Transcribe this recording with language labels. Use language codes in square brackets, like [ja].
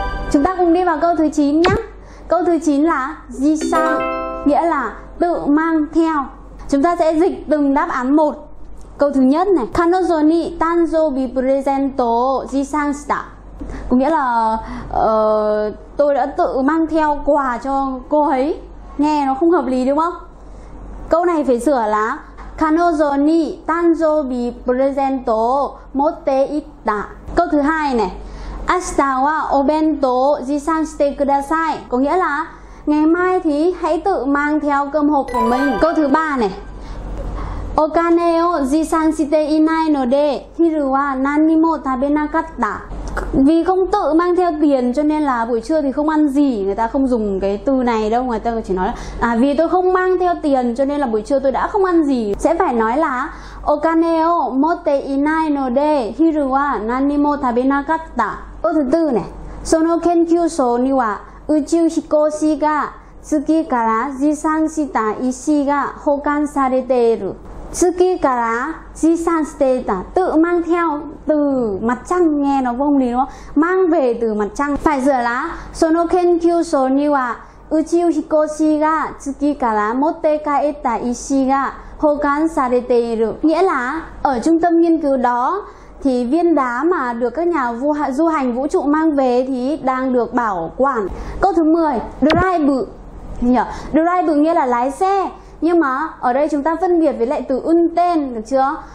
[vi] Chúng ta cùng đi vào câu thứ 9 nhé. Câu thứ 9 là jisa, nghĩa là tự mang theo. Chúng ta sẽ dịch từng đáp án một. Câu thứ nhất này, [ja] kanozo ni tanzoubi present o jisanshita. [vi] Có nghĩa là tôi đã tự mang theo quà cho cô ấy. Nghe nó không hợp lý đúng không? Câu này phải sửa là [ja] 彼女に誕生日プレゼントを持っていった。 [vi] Câu thứ hai này. [ja] 明日はお弁当持参してください。 [vi] Có nghĩa là ngày mai thì hãy tự mang theo cơm hộp của mình. Câu thứ ba này. [ja] お金を持参していないので昼は何にも食べなかった。 [vi] Vì không tự mang theo tiền cho nên là buổi trưa thì không ăn gì. Người ta không dùng cái từ này đâu, người ta chỉ nói là vì tôi không mang theo tiền cho nên là buổi trưa tôi đã không ăn gì. Sẽ phải nói là [ja] お金を持っていないので昼は何にも食べなかった。 [vi] Câu thứ tư này. [ja] その研究所には宇宙飛行士が月から持参した石が保管されている。月から持参していた, [vi] tự mang theo từ mặt trăng, nghe nó vô lý đúng không? Mang về từ mặt trăng. Phải sửa là [ja] その研究所には宇宙飛行士が月から持って帰った石が保管されている。 [vi] nghĩa là ở trung tâm nghiên cứu đó thì viên đá mà được các nhà du hành vũ trụ mang về thì đang được bảo quản. Câu thứ 10, drive nghĩa là lái xe, nhưng mà ở đây chúng ta phân biệt với lại từ unten, được chưa?